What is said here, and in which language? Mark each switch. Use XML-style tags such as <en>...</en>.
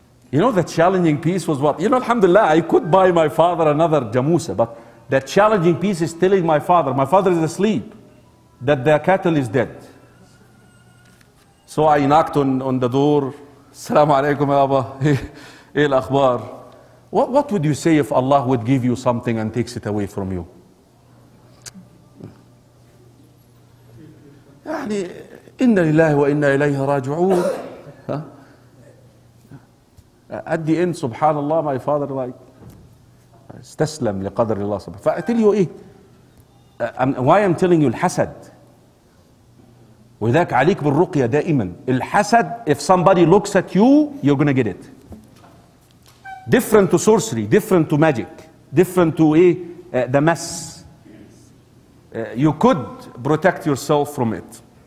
<en>You know, the challenging piece was what? You know, alhamdulillah, I could buy my father another jamusa, but that challenging piece is telling my father is asleep, that the cattle is dead. So I knocked on the door. Assalamu alaikum, Abba. Hey, al-akhbar. What would you say if Allah would give you something and takes it away from you?</en> <ar>يعني إن لله وإنا إليه راجعون.</ar> <en>At the end, subhanallah, my father like</en> <ar>استسلم لقدر الله سبحانه.</ar> <en>I tell you why I'm telling you الحسد.</en> <ar>وذاك عليك بالرقية دائما.</ar> <en>الحسد, if somebody looks at you, you're gonna get it. Different to sorcery, different to magic, different to the mess. You could protect yourself from it.</en>